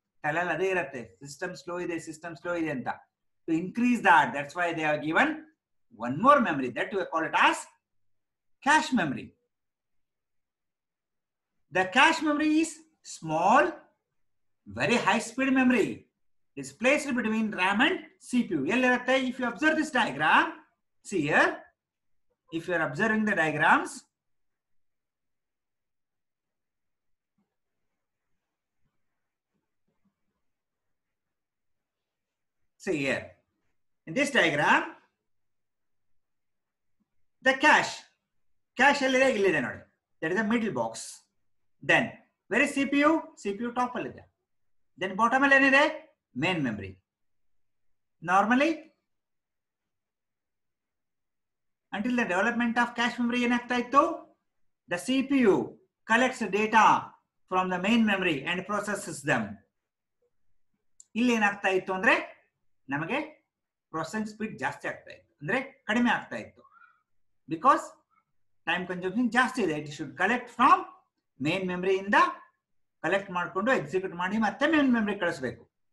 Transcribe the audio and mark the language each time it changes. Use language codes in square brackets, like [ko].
[kn] ಅಲ್ಲ ಅದೇ ಇರುತ್ತೆ, ಸಿಸ್ಟಮ್ ಸ್ಲೋ ಇದೆ, ಸಿಸ್ಟಮ್ ಸ್ಲೋ ಇದೆ ಅಂತ. [en] To increase that, that's why they have given one more memory, that we call it as cache memory. The cache memory is small, very high speed memory. It's placed between RAM and CPU. If you observe this diagram, see here, if you are observing the diagrams, see here, in this diagram, the cache [kn] ಅಲ್ಲಿದೆ, ಇಲ್ಲಿದೆ ನೋಡಿ, [en] that is the middle box. Then, where is CPU? CPU top ಅಲ್ಲಿದೆ. Then bottom [kn] ಅಲ್ಲಿ ಏನಿದೆ? [en] Main memory. Normally, until the development of cache memory, [kn] ಏನಾಗ್ತಾ ಇತ್ತು? [en] The CPU collects data from the main memory and processes them. [kn] ಇಲ್ಲಿ ಏನಾಗ್ತಾ ಇತ್ತು ಅಂದ್ರೆ ನಮಗೆ ಪ್ರೊಸೆಸಿಂಗ್ ಸ್ಪೀಡ್ ಜಾಸ್ತಿ ಆಗ್ತಾ ಇತ್ತು, ಅಂದ್ರೆ ಕಡಿಮೆ ಆಗ್ತಾ ಇತ್ತು. [en] because time consumption [kn] ಜಾಸ್ತಿ ಇದೆ, [en] it should collect from main memory [kn] ಇಂದ ಕಲೆಕ್ಟ್ ಮಾಡಿಕೊಂಡು ಎಕ್ಸಿಕ್ಯೂಟ್ ಮಾಡಿ ಮತ್ತೆ ಮೇನ್ ಮೆಮರಿ ಕಳಿಸಬೇಕು.